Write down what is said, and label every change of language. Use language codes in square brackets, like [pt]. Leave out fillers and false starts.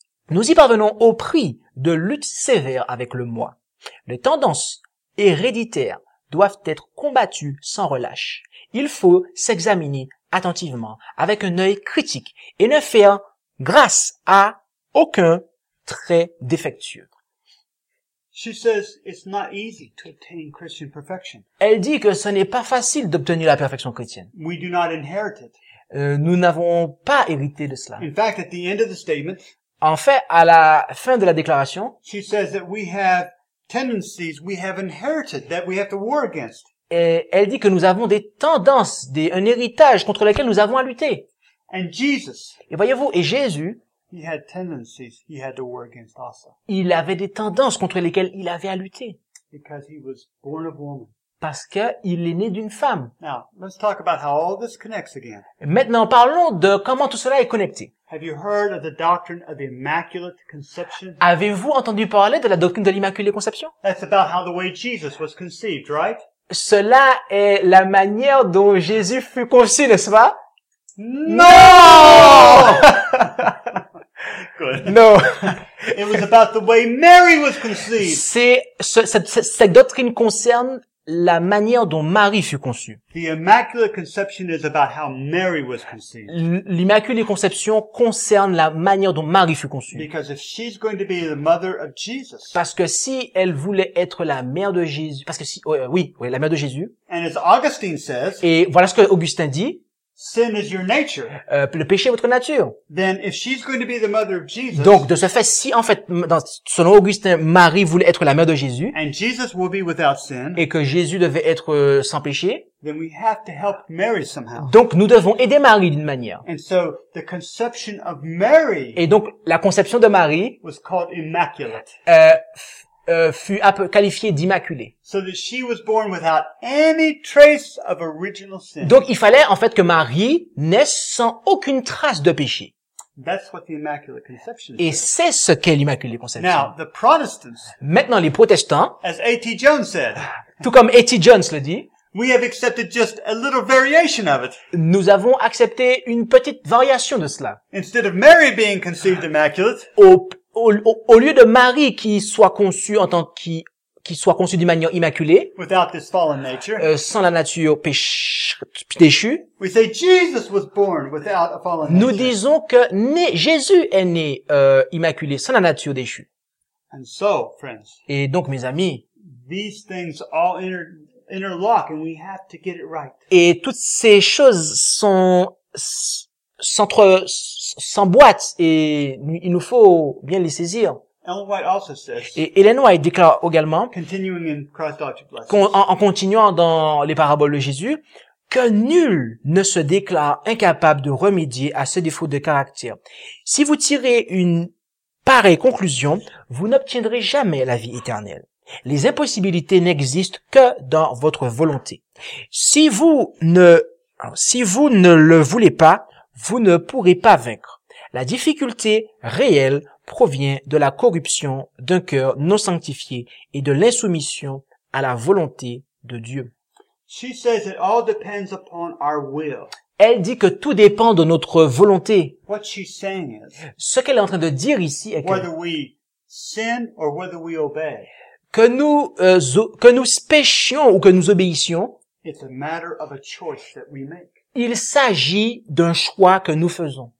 [fr] Nous y parvenons au prix de luttes sévères avec le moi. Les tendances héréditaires doivent être combattues sans relâche. Il faut s'examiner attentivement, avec un œil critique, et ne faire grâce à aucun trait défectueux. [en] She says it's not easy to obtain Christian perfection. [fr] Elle dit que ce n'est pas facile d'obtenir la perfection chrétienne. [en] We do not inherit it. [fr] Nous n'avons pas hérité de cela. [en] In fact, at the end of the statement, [fr] en fait, à la fin de la déclaration, [en] she says that we have tendencies we have inherited that we have to war against. [fr] Et elle dit que nous avons des tendances, un héritage contre lequel nous avons à lutter. [en] And Jesus, [fr] et voyez-vous, et Jésus, [en] he had tendencies he had to war against also. [fr] Il avait des tendances contre lesquelles il avait à lutter. [en] Because he was born of woman. [fr] Parce qu'il est né d'une femme. [en] Now, let's talk about how all this connects again. [fr] Maintenant, parlons de comment tout cela est connecté. [en] Have you heard of the doctrine of the Immaculate Conception? [fr] Avez-vous entendu parler de la doctrine de l'Immaculée Conception? [en] That's about how the way Jesus was conceived, right? [fr] Cela est la manière dont Jésus fut conçu, n'est-ce pas? Non! [en] No. It was about the way Mary was conceived. [fr] Cette doctrine concerne la manière dont Marie fut conçue. [en] The Immaculate Conception is about how Mary was conceived. [fr] L'Immaculée Conception concerne la manière dont Marie fut conçue. [en] Because if she's going to be the mother of Jesus. [fr] Parce que si elle voulait être la mère de Jésus, la mère de Jésus. [en] And as Augustine says. [fr] Et voilà ce que Augustin dit. [en] Sin is your nature. [fr] Le péché est votre nature. [en] Then if she's going to be the mother of Jesus. [fr] Donc de ce fait, si en fait selon Augustin, Marie voulait être la mère de Jésus. [en] And Jesus will be without sin. [fr] Et que Jésus devait être sans péché. [en] Then we have to help Mary somehow. [fr] Donc nous devons aider Marie d'une manière. [en] And so the conception of Mary. [fr] Et donc la conception de Marie [en] was called immaculate. [fr] Fut qualifiée d'immaculée. [en] So that she was born without any trace of original sin. [fr] Donc il fallait en fait que Marie naisse sans aucune trace de péché. [en] That's what the Immaculate Conception is. [fr] Et c'est ce qu'est l'Immaculée Conception. [en] Now, the Protestants, [fr] maintenant les protestants, [en] as A.T. Jones said, [fr] tout comme A.T. Jones le dit, [en] we have accepted just a little variation of it. [fr] Nous avons accepté une petite variation de cela. [en] Instead of Mary being conceived immaculate, [fr] au lieu de Marie qui soit conçue en tant qui soit conçue d'une manière immaculée, [en] without this fallen nature, [fr] sans la nature déchue, [en] we say Jesus was born without a fallen nature. [fr] Nous disons que Jésus est né immaculé, sans la nature déchue. [en] And so, friends, [fr] et donc, mes amis, [en] these things all interlock and we have to get it right. [fr] Et toutes ces choses sont sans boîte et il nous faut bien les saisir. [en] Ellen White also says, [fr] et Ellen White déclare également, [en] continuing in Christ's object lessons, [fr] en continuant dans les paraboles de Jésus, que nul ne se déclare incapable de remédier à ce défaut de caractère. Si vous tirez une Pareille conclusion, vous n'obtiendrez jamais la vie éternelle. Les impossibilités n'existent que dans votre volonté. Si vous ne le voulez pas, vous ne pourrez pas vaincre. La difficulté réelle provient de la corruption d'un cœur non sanctifié et de l'insoumission à la volonté de Dieu. [en] She says it all depends upon our will. [fr] Elle dit que tout dépend de notre volonté. [en] What she's saying is, [fr] ce qu'elle est en train de dire ici est que, [en] whether we sin or whether we obey, [fr] que nous péchions ou que nous obéissions, [en] it's a matter of a choice that we make. [fr] Il s'agit d'un choix que nous faisons.